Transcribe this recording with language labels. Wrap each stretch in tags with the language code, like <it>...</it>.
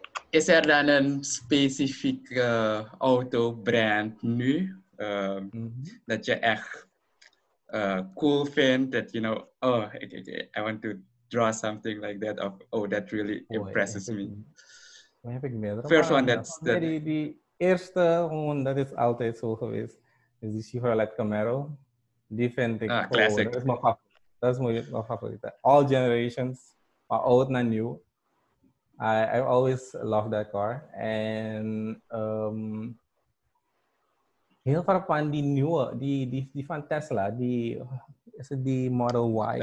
<nl>Is er dan een specifieke auto brand nu dat je echt cool vindt?</nl> <en>Dat you know, I want to draw something like that. Of, that really impresses me.</en> <nl>Heb ik meerdere?</nl> <en>First one that's</en> <nl>die, eerste gewoon, dat is altijd zo geweest, is die Chevrolet Camaro. Die vind ik</nl> <en>classic.</en> <nl>Dat is mijn favoriet. Dat is mijn favoriet.</nl> <en>All generations,</en> <nl>maar oud naar nieuw.</nl> <en>I always love that car.</en> <nl>En heel ver van die nieuwe, die van Tesla, die is het die Model Y.</nl>